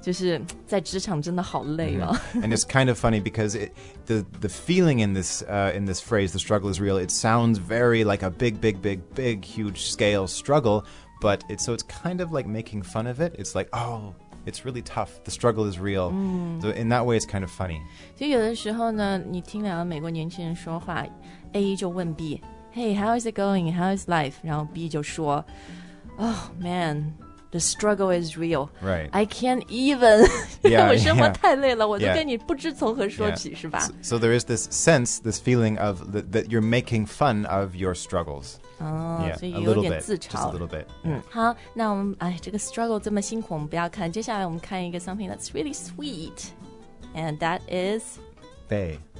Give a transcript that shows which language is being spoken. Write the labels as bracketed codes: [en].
[zh] 就是在职场真的好累啊。 Mm-hmm. [en] And it's kind of funny because the feeling in this phrase, the struggle is real, it sounds very like a big, big, big, big, huge scale struggle, but it's kind of like making fun of it. It's like, oh, it's really tough. The struggle is real.、 Mm-hmm. So in that way, it's kind of funny. [zh] 所以有的时候呢，你听两个美国年轻人说话 ，A 就问 B, [en] "Hey, how is it going? How is life?" [zh] 然后 B 就说 [en] "Oh man." The struggle is real. Right. I can't even. Yeah, [zh] 我生活太累了，我都跟你不知从何说起，是吧？ [en] So there is this sense, this feeling of that you're making fun of your struggles. Oh, yeah, so you're a little bit. Just a little bit. [zh] 好，那我们这个struggle 这么辛苦，我们不要看。接下来我们看一个 [en] something that's really sweet, and that is Bay.